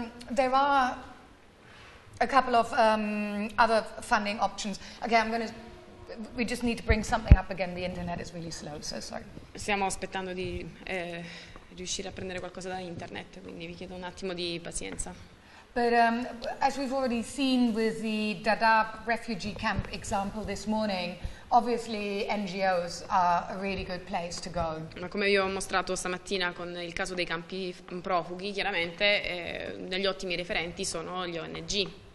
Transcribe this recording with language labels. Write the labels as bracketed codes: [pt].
[en] There are a couple of other funding options. Okay, we just need to bring something up again. The internet is really slow, so sorry. [it] Stiamo aspettando di riuscire a prendere qualcosa da internet, quindi vi chiedo un attimo di pazienza. [en] But as we've already seen with the Dadaab refugee camp example this morning, obviously NGOs are a really good place to go. [it] Ma come vi ho mostrato stamattina con il caso dei campi profughi, chiaramente degli ottimi referenti sono gli ONG.